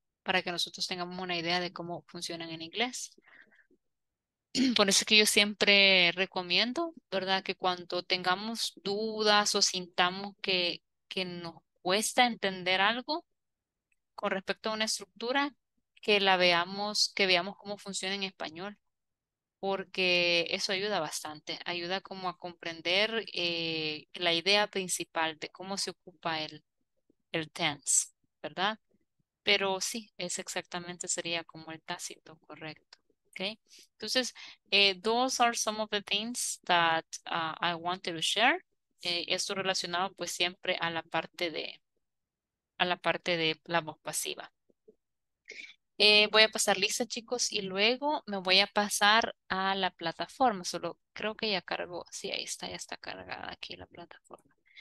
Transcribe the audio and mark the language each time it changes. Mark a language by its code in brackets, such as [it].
[es] para que nosotros tengamos una idea de cómo funcionan en inglés. Por eso es que yo siempre recomiendo, ¿verdad?, que cuando tengamos dudas o sintamos que nos cuesta entender algo con respecto a una estructura, que la veamos, que veamos cómo funciona en español, porque eso ayuda bastante, ayuda como a comprender la idea principal de cómo se ocupa el tense, ¿verdad? Pero sí, es exactamente, sería como el tácito, correcto, ¿ok? Entonces, [en] those are some of the things that I wanted to share. [es] Esto relacionado pues siempre a la parte de la voz pasiva. Voy a pasar lista, chicos, y luego me voy a pasar a la plataforma. Solo creo que ya cargó. Sí, ahí está, ya está cargada aquí la plataforma.